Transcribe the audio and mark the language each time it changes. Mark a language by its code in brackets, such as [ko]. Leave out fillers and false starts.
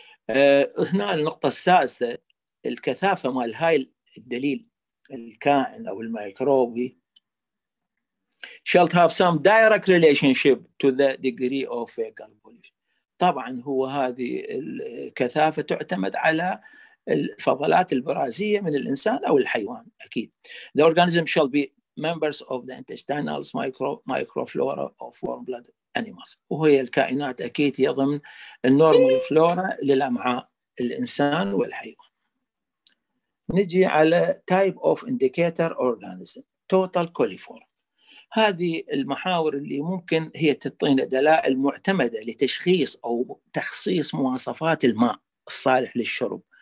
[ar] هنا النقطة السادسة الكثافة مال هاي الدليل الكائن أو الميكروبي [en] shall have some direct relationship to the degree of fecal pollution. [ar] طبعا هو هذه الكثافة تعتمد على الفضلات البرازية من الإنسان أو الحيوان أكيد. [en] The organism shall be members of the intestinal microflora of warm blood animals. [ar] وهي الكائنات أكيد يضمن النورمال فلورا للأمعاء الإنسان والحيوان. نجي على [en] type of indicator organism total coliform. [ar] هذه المحاور اللي ممكن هي تعطينا دلائل معتمدة لتشخيص أو تخصيص مواصفات الماء الصالح للشرب.